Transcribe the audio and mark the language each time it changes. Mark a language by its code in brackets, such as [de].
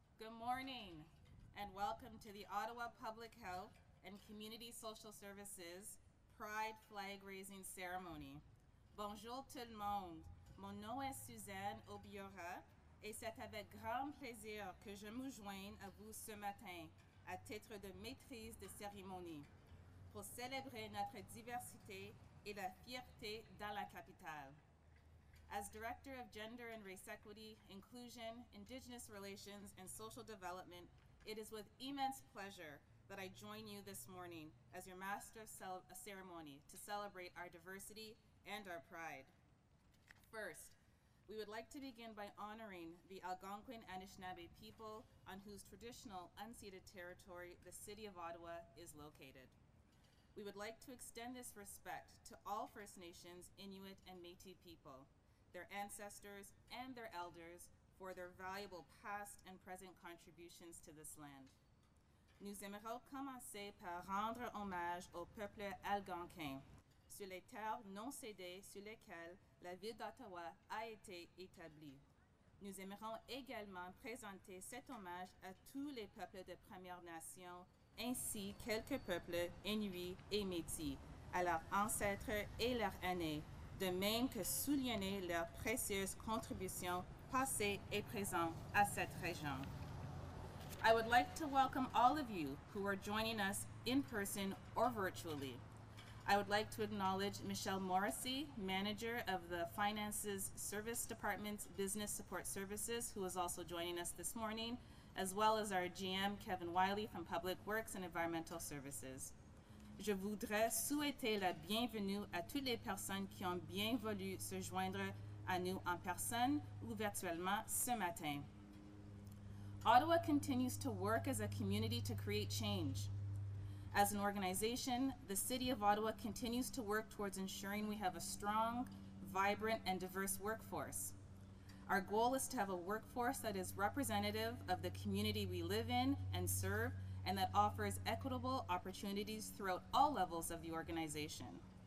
[en] morning and welcome to the Ottawa Public Health and Community Social Services Pride Flag Raising Ceremony. [fr] Bonjour tout le monde. Mon nom est Suzanne Obiorah et c'est avec grand plaisir que je me joigne à vous ce matin à titre de maîtrise de cérémonie pour célébrer notre diversité et la fierté dans la capitale. [en] As Director of Gender and Race Equity, Inclusion, Indigenous Relations, and Social Development, it is with immense pleasure that I join you this morning as your Master of Ceremony to celebrate our diversity and our pride. First, we would like to begin by honoring the Algonquin Anishinaabe people on whose traditional unceded territory the City of Ottawa is located. We would like to extend this respect to all First Nations, Inuit, and Métis people, their ancestors and their elders for their valuable past and present contributions to this land. [fr] Nous aimerons commencer par rendre hommage au peuple algonquin sur les terres non cédées sur lesquelles la ville d'Ottawa a été établie. Nous aimerons également présenter cet hommage à tous les peuples de Première Nation ainsi quelques peuples Inuits et Métis, à leurs ancêtres et leurs aînés, de même que souligner leurs précieuses contributions passées et présentes à cette région. [en] I would like to welcome all of you who are joining us in person or virtually. I would like to acknowledge Michelle Morrissey, manager of the Finances Service Department's Business Support Services, who is also joining us this morning, as well as our GM, Kevin Wiley, from Public Works and Environmental Services. [fr] Je voudrais souhaiter la bienvenue à toutes les personnes qui ont bien voulu se joindre à nous en personne ou virtuellement ce matin. [en] Ottawa continues to work as a community to create change. As an organization, the City of Ottawa continues to work towards ensuring we have a strong, vibrant, and diverse workforce. Our goal is to have a workforce that is representative of the community we live in and serve, and that offers equitable opportunities throughout all levels of the organization.